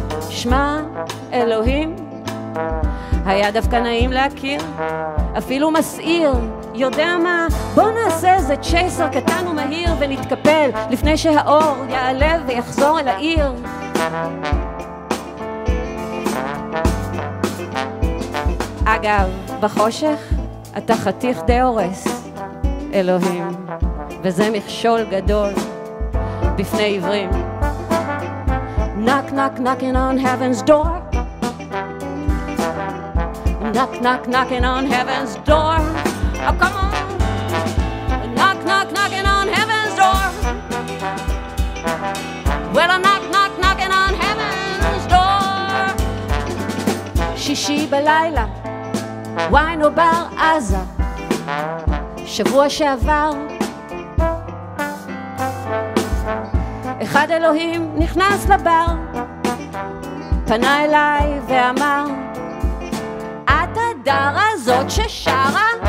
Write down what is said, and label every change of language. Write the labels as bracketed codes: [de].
[he] שמע אלוהים, היה דווקא נעים להכיר, אפילו מסעיר, יודע מה, בוא נעשה איזה צ'ייסר קטן ומהיר ונתקפל לפני שהאור יעלה ויחזור אל העיר. אגב, בחושך אתה חתיך די הורס, אלוהים, וזה מכשול גדול בפני עיוורים. [en] Knock knock knocking on heaven's door. Knock knock knocking on heaven's door. Oh come on. Knock knock knocking on heaven's door. Well I knock knock knocking on heaven's door. [he] שישי בלילה, ויינו בר עזה, שבוע שעבר, אחד אלוהים נכנס לבר, פנה אליי ואמר, את הדרה הזאת ששרה?